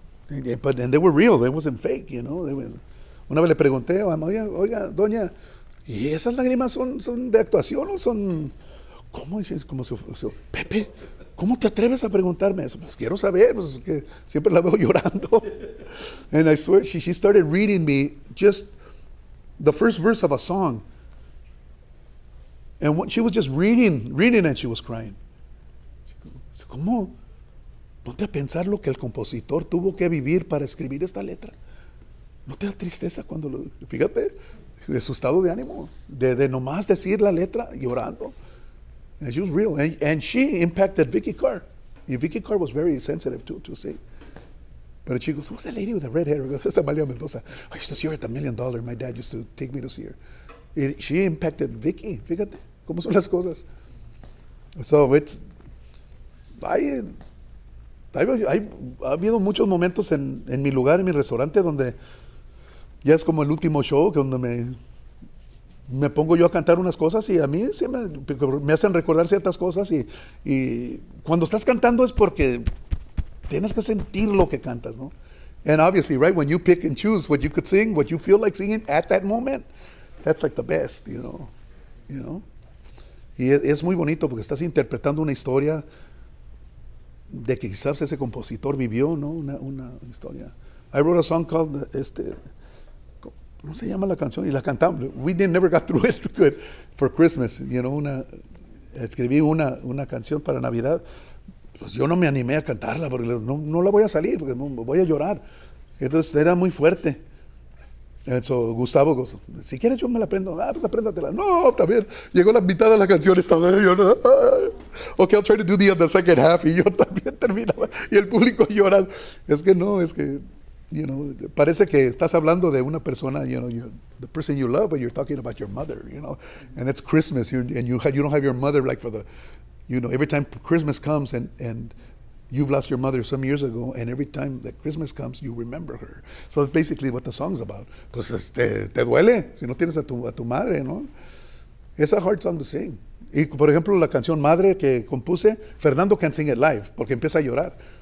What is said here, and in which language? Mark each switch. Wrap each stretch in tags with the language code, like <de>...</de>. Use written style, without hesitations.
<en>And they were real, they wasn't fake, you know.</en> <es>Una vez le pregunté a Amalia, oiga, doña, y esas lágrimas son de actuación o son, ¿cómo dices? Como si, Pepe, ¿cómo te atreves a preguntarme eso? Pues quiero saber, pues que siempre la veo llorando. And I swear, she started reading me just the first verse of a song. And what, she was just reading and she was crying. Dice, ¿cómo? Ponte a pensar lo que el compositor tuvo que vivir para escribir esta letra. ¿No te da tristeza cuando lo, fíjate, de su estado de ánimo, de nomás decir la letra, llorando?</es> <en>And she was real. And she impacted Vicky Carr. And Vicky Carr was very sensitive to sing. But she goes, who's that lady with the red hair? That's Amalia Mendoza. I used to see her at the $1 million. My dad used to take me to see her. And she impacted Vicky.</en> <es>Fíjate, ¿cómo son las cosas?</es> <en>So it's,</en> <es>ha habido muchos momentos en mi lugar, en mi restaurante, donde ya es como el último show, que donde me me pongo yo a cantar unas cosas y a mí se me hacen recordar ciertas cosas y cuando estás cantando es porque tienes que sentir lo que cantas, ¿no?</es> <en>And obviously, right, when you pick and choose what you could sing, what you feel like singing at that moment, that's like the best, you know?</en> <es>Y es muy bonito porque estás interpretando una historia de que quizás ese compositor vivió, ¿no? Una historia.</es> <en>I wrote a song called,</en> <es>¿cómo se llama la canción? Y la cantamos.</es> <en>Never got through it good for Christmas, you know?</en> <es>Escribí una canción para Navidad. Pues yo no me animé a cantarla porque no la voy a salir, porque voy a llorar. Entonces era muy fuerte. Eso, Gustavo, si quieres yo me la aprendo. Ah, pues apréndatela. No, está bien. Llegó la mitad de la canción, estaba yo, ¿no?</es> <en>Ok, I'll try to do the second half.</en> <es>Y yo también terminaba. Y el público llorando. Es que parece que estás hablando de una persona,</es> <en>you know, the person you love, but you're talking about your mother, you know. And it's Christmas, you don't have your mother like for the, you know, every time Christmas comes and you've lost your mother some years ago, and every time that Christmas comes, you remember her. So that's basically what the song's about.</en> <es>Pues te duele si no tienes a tu madre, ¿no?</es> <en>It's a hard song to sing.</en> <es>Y, por ejemplo, la canción Madre que compuse, Fernando</es> <en>can't sing it live</en> <es>porque empieza a llorar.</es>